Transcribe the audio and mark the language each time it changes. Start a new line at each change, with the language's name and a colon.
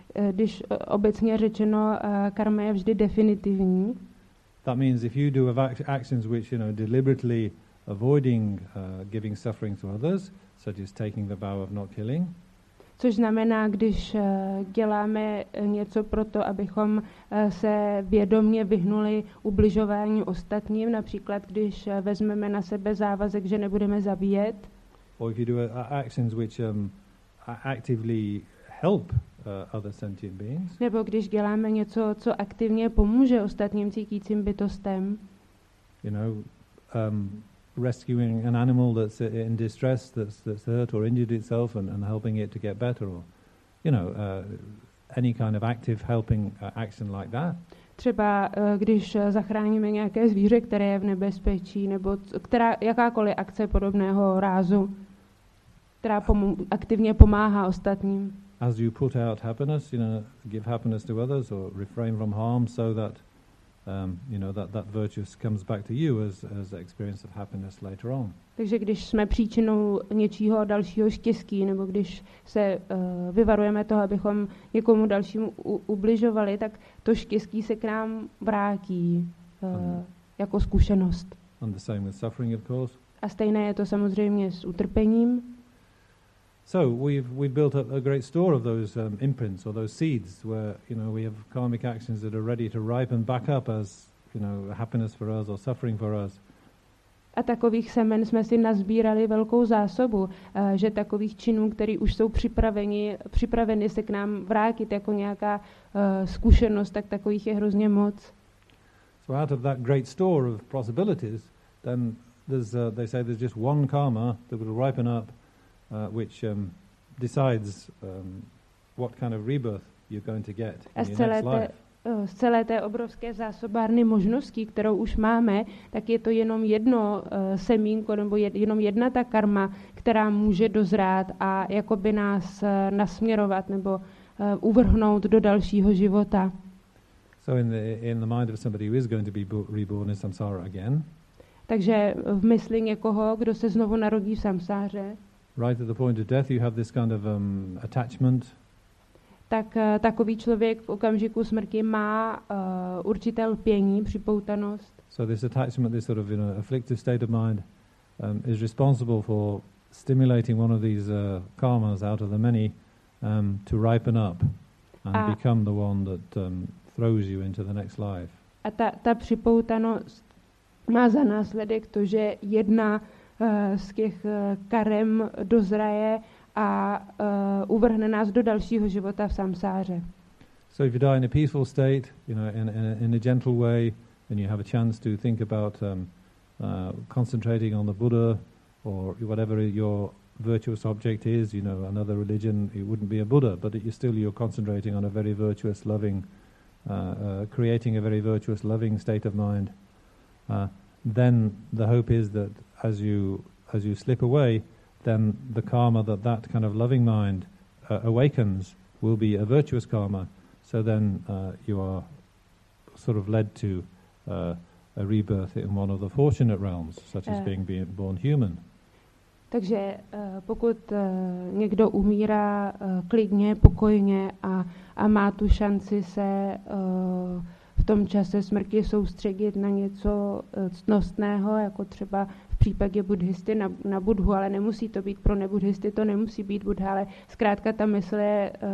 Czech: Když obecně řečeno, karma je vždy definitivní.
English: That means if you do actions which, you know, deliberately avoiding giving suffering to others, such as taking the vow of not killing.
Czech: Což znamená, když děláme něco pro to, abychom se vědomně vyhnuli ubližování ostatním, například když vezmeme na sebe závazek, že nebudeme zabíjet.
English: Or if you do actions which actively help other sentient beings.
Czech: Nebo když děláme něco, co aktivně pomůže ostatním cítícím bytostem.
English: You know, rescuing an animal that's in distress, that's hurt or injured itself, and helping it to get better, or, you know, any kind of active helping action like that.
Czech: Třeba když zachráníme nějaké zvíře, které je v nebezpečí, nebo která jakákoliv akce podobného rázu, která aktivně pomáhá ostatním.
English: As you put out happiness, you know, give happiness to others or refrain from harm so that, you know, that virtue comes back to you as experience of happiness later on.
Czech: Takže když jsme příčinou něčího dalšího štěstí, nebo když se vyvarujeme toho, abychom někomu dalšímu ubližovali, tak to štěstí se k nám vrátí jako zkušenost.
English: And the same with suffering, of course.
Czech: A stejné je to samozřejmě s utrpením.
English: So we've built up a great store of those imprints or those seeds where, you know, we have karmic actions that are ready to ripen back up as, you know, happiness for us or suffering for us.
Czech: A takových semen jsme si nasbírali velkou zásobu, že takových činů, které už jsou připraveny se k nám vrátit jako nějaká zkušenost, tak takových je hrozně moc.
English: So out of that great store of possibilities, then there's they say there's just one karma that will ripen up which decides what kind of rebirth you're going to get in your next life.
Czech: Z celé té obrovské zásobárny možností, kterou už máme, tak je to jenom jedno semínko nebo jenom jedna ta karma, která může dozrát a jakoby nás nasměrovat nebo uvrhnout do dalšího života.
English: So in the mind of somebody who is going to be reborn in samsara again.
Czech: Takže v mysli někoho, kdo se znovu narodí v samsáře.
English: Right at the point of death you have this kind of attachment.
Czech: Tak takový člověk v okamžiku smrti má určité lpění, připoutanost.
English: So this attachment, this sort of, you know, afflictive state of mind is responsible for stimulating one of these karmas out of the many to ripen up and become the one that throws you into the next life.
Czech: A ta připoutanost má za následek to, že jedna z těch karem dozraje a uvrhne nás do dalšího života v samsáře.
English: So if you die in a peaceful state, you know, in a gentle way, and you have a chance to think about concentrating on the Buddha or whatever your virtuous object is, you know, another religion, it wouldn't be a Buddha, but you're concentrating on a very virtuous, loving, creating a very virtuous, loving state of mind. Then the hope is that as you slip away, then the karma that kind of loving mind awakens will be a virtuous karma. So then you are sort of led to a rebirth in one of the fortunate realms, such as being born human.
Czech: Takže pokud někdo umírá klidně, pokojně a má tu šanci se v tom čase smrti soustředit na něco ctnostného, jako třeba v případě buddhisty na Buddhu, ale nemusí to být pro nebuddhisty, to nemusí být Buddha, ale zkrátka ta mysl je